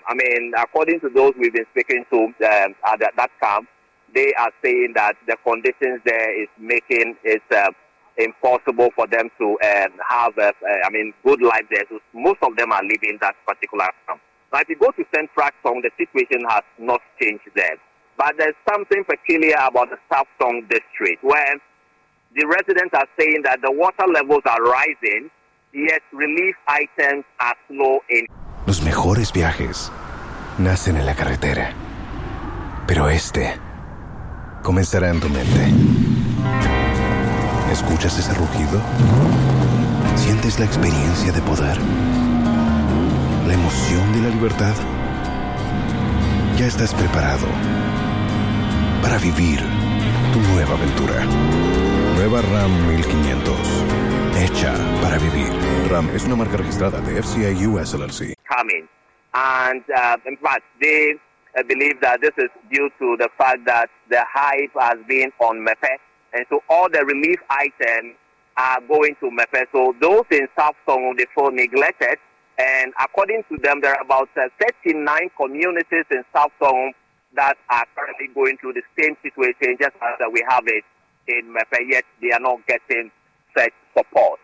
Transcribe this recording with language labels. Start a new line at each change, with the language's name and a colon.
English: I mean, according to those we've been speaking to at that camp, they are saying that the conditions there is making it impossible for them to have, good life there. So most of them are living that particular camp. Now, if you go to Central Tong, the situation has not changed there. But there's something peculiar about the South Tong district, where the residents are saying that the water levels are rising, yet relief items are slow in.
Spanish: Los mejores viajes nacen en la carretera, pero este comenzará en tu mente. ¿Escuchas ese rugido? ¿Sientes la experiencia de poder? ¿La emoción de la libertad? Ya estás preparado para vivir tu nueva aventura. Nueva Ram 1500. Hecha para vivir. Ram es una marca registrada de FCA US LLC.
English: Coming. And, in fact, I believe that this is due to the fact that the hype has been on Mepe. And so all the relief items are going to Mepe. So those in South Tong, they feel neglected. And according to them, there are about 39 communities in South Tong that are currently going through the same situation just as we have it in Mepe, yet they are not getting such support.